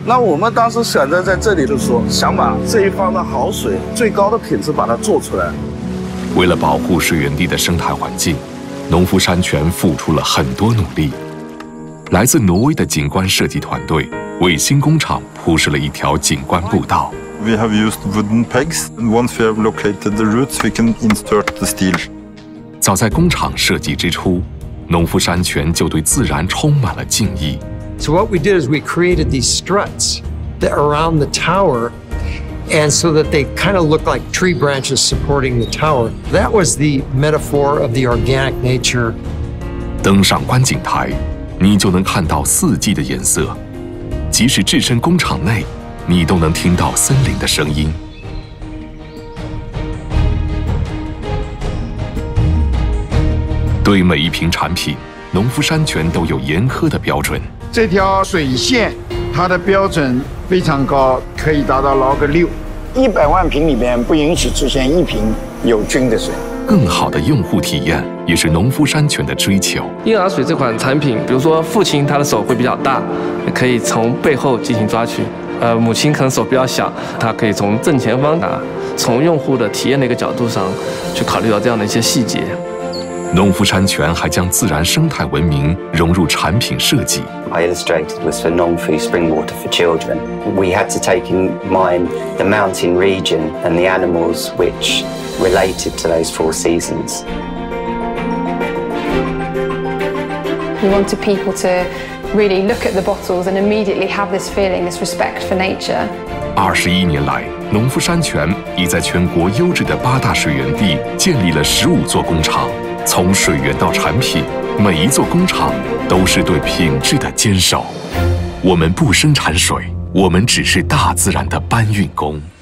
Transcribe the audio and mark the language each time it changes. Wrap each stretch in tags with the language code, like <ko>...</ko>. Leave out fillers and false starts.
<zh>那我们当时选择在这里，就说想把这一方的好水最高的品质把它做出来。为了保护水源地的生态环境，农夫山泉付出了很多努力。来自挪威的景观设计团队为新工厂铺设了一条景观步道。</zh> <en>We have used wooden pegs. Once we have located the roots, we can insert the steel.</en> <zh>早在工厂设计之初，农夫山泉就对自然充满了敬意。</zh> <en>So what we did is we created these struts that around the tower, and so that they kind of look like tree branches supporting the tower. That was the metaphor of the organic nature.</en> <zh>登上观景台，你就能看到四季的颜色，即使置身工厂内，你都能听到森林的声音。对每一瓶产品，农夫山泉都有严苛的标准。这条水线它的标准非常高，可以达到log6。 100万瓶里面不允许出现一瓶有菌的水。更好的用户体验也是农夫山泉的追求。婴儿水这款产品，比如说父亲他的手会比较大，可以从背后进行抓取。母亲可能手比较小，她可以从正前方拿，从用户的体验的一个角度上去考虑到这样的一些细节。农夫山泉还将自然生态文明融入产品设计。</zh> <en>I illustrated was for non-food spring water for children. We had to take in mind the mountain region and the animals which related to those four seasons. We wanted people to. Really look at the bottles and immediately have this feeling, this respect for nature.</en> <zh>21年来，农夫山泉已在全国优质的8大水源地建立了15座工厂。从水源到产品，每一座工厂都是对品质的坚守。我们不生产水，我们只是大自然的搬运工。</zh>